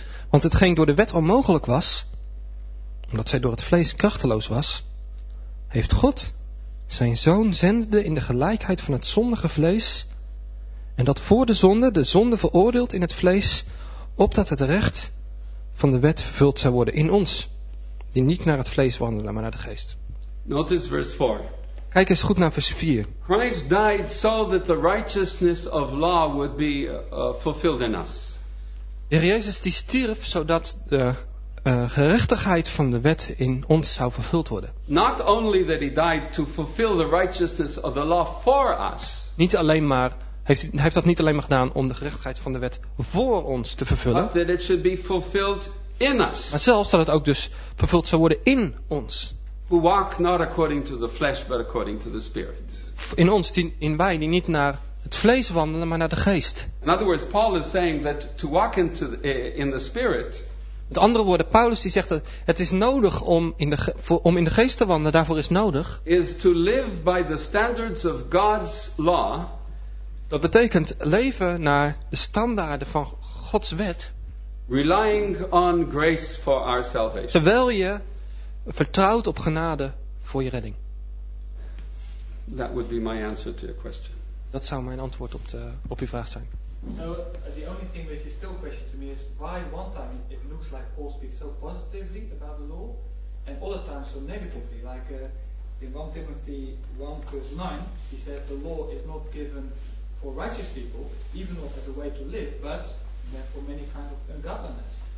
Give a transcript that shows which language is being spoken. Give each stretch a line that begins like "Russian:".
Dutch: Want hetgeen door de wet onmogelijk was, omdat zij door het vlees krachteloos was, heeft God zijn zoon zendende in de gelijkheid van het zondige vlees, en dat voor de zonde veroordeeld in het vlees, opdat het recht van de wet vervuld zou worden in ons, die niet naar het vlees wandelen, maar naar de geest.
English: Notice verse 4.
Dutch: Kijk eens goed naar vers 4.
English: Christ died so that the righteousness of law would be fulfilled in us.
Dutch: De Heer Jezus die stierf zodat de gerechtigheid van de wet in ons zou vervuld worden.
English: Not only that he died to fulfill the righteousness of the law for us.
Dutch: Niet alleen maar heeft dat niet alleen maar gedaan om de gerechtigheid van de wet voor ons te vervullen.
English: But that it should be fulfilled in us.
Dutch: Maar zelfs dat het ook dus vervuld zou worden in ons.
English: Who walk not according to the flesh, but according to the spirit.
Dutch: In ons, in wij die niet naar het vlees wandelen, maar naar de geest.
English: In other words, Paul is saying that to walk in the spirit.
Dutch: Met andere woorden, Paulus die zegt dat het is nodig om in de geest te wandelen. Daarvoor is nodig.
English: Is to live by the standards of God's law.
Dutch: Dat betekent leven naar de standaarden van Gods wet.
English: Relying on grace for our salvation.
Dutch: Terwijl je vertrouwt op genade voor je redding.
English: That would be my answer to your question.
Dutch: Dat zou mijn antwoord op uw vraag zijn.
English: So the only thing which is still question to me is why one time it looks like Paul speaks so positively about the law and other times so negatively. Like in 1 Timothy 1 verse 9 he said the law is not given for righteous people even though as a way to live but for many kind of ungodliness.